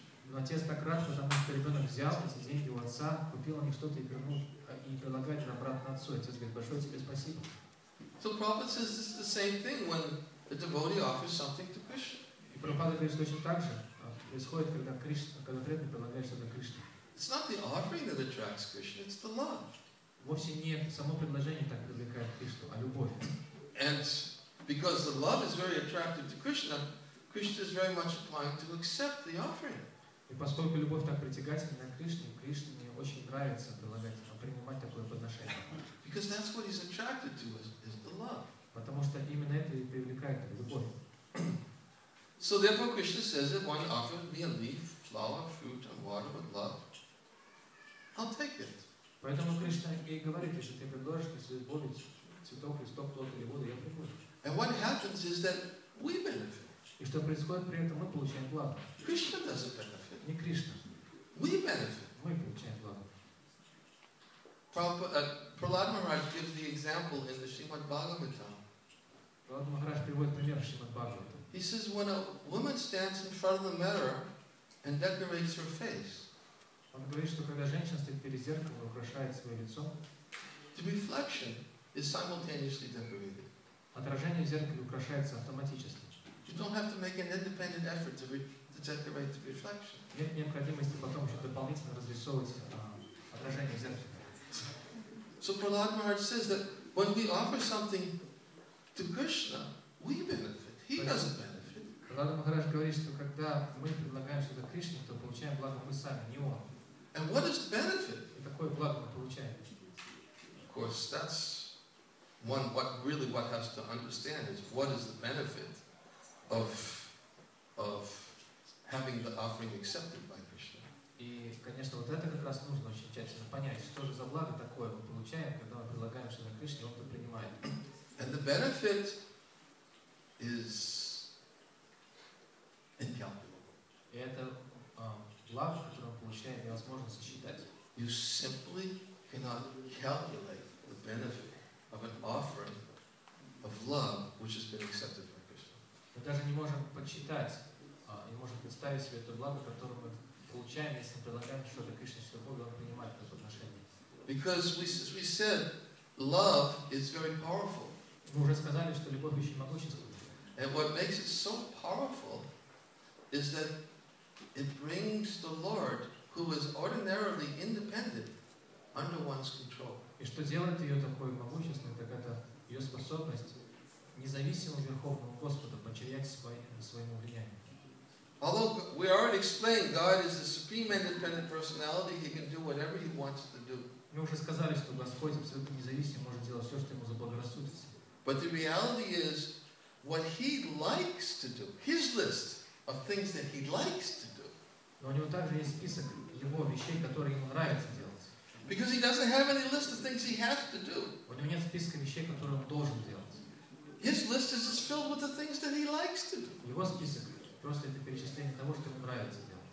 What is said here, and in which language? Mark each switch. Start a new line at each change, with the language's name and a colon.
Russian: но отец так рад, потому что ребенок взял эти деньги у отца, купил у них что-то и вернул, и предлагает обратно отцу. Отец говорит: большое тебе спасибо.
English: So Prabhupada says it's the same thing when a devotee offers something to Krishna.
Russian: И Прабхупада говорит, что точно так же происходит, когда Кришна, когда преданный предлагает что-то Кришне.
English: It's not the offering that attracts Krishna, it's the love.
Russian: Вовсе не само предложение так привлекает Кришну, а любовь.
English: And because the love is very attractive to Krishna, Krishna is very much inclined to accept the offering.
Russian: И поскольку любовь так притягательна к Кришне, Кришне мне очень нравится прилагать, принимать такое подношение.
English: Because that's what he's attracted to is the love.
Russian: Потому что именно это и привлекает любовь.
English: So therefore Krishna says that one offered me a leaf, flower, fruit and water with love, I'll take it.
Russian: Поэтому Кришна ей говорит, если ты предложишь, если любовь, цветок, листок, плод или воду, я приму.
English: And what happens is that we benefit.
Russian: И что происходит при этом, мы получаем благо.
English: Krishna doesn't benefit.
Russian: не Кришна.
English: We benefit.
Russian: Мы получаем благо.
English: Prahlad Maharaj gives the example in the Srimad Bhagavatam.
Russian: Prahlad Maharaj приводит пример в Шримад Бхагаватам.
English: He says when a woman stands in front of the mirror and decorates her face.
Russian: Он говорит, что когда женщина стоит перед зеркалом и украшает свое лицо,
English: the reflection is simultaneously decorated.
Russian: Отражение в зеркале украшается автоматически.
English: You don't have to make an independent effort to decorate the reflection.
Russian: Нет необходимости потом еще дополнительно разрисовывать отражение в зеркале.
English: So Prahlad Maharaj says that when we offer something to Krishna, we benefit. He doesn't benefit.
Russian: Prahlad Maharaj говорит, что когда мы предлагаем что-то Кришне, то получаем благо мы сами, не он.
English: And what is the benefit?
Russian: Какое благо мы получаем?
English: Of course, that's one. What really what has to understand is what is the benefit of having the offering accepted by Krishna.
Russian: И, конечно, вот это как раз нужно очень тщательно понять, что же за благо такое мы получаем, когда мы предлагаем что-то Кришне, он это принимает.
English: And the benefit is incalculable.
Russian: И это благо, которое мы получаем, невозможно сосчитать.
English: You simply cannot calculate the benefit of an offering of love, which has been accepted by Krishna.
Russian: Мы даже не можем подсчитать, не можем представить себе то благо, которое мы получаем, если мы предлагаем что-то Кришне с любовью, он принимает это отношение.
English: Because we, as we said, love is very powerful.
Russian: Мы уже сказали, что любовь очень могущественна.
English: And what makes it so powerful is that it brings the Lord, who is ordinarily independent, under one's control.
Russian: И что делает ее такой могущественной, так это ее способность независимому Верховному Господу подчинять своему влиянию.
English: Although we already explained, God is the supreme independent personality. He can do whatever He wants to do.
Russian: Мы уже сказали, что Господь абсолютно независим, может делать все, что ему заблагорассудится.
English: But the reality is, what He likes to do, His list of things that He likes to do.
Russian: Но у него также есть список его вещей, которые ему нравится делать.
English: Because He doesn't have any list of things He has to do.
Russian: У него нет списка вещей, которые он должен делать.
English: His list is just filled with the things that He likes to do.
Russian: Его список просто это перечисление того, что ему нравится делать.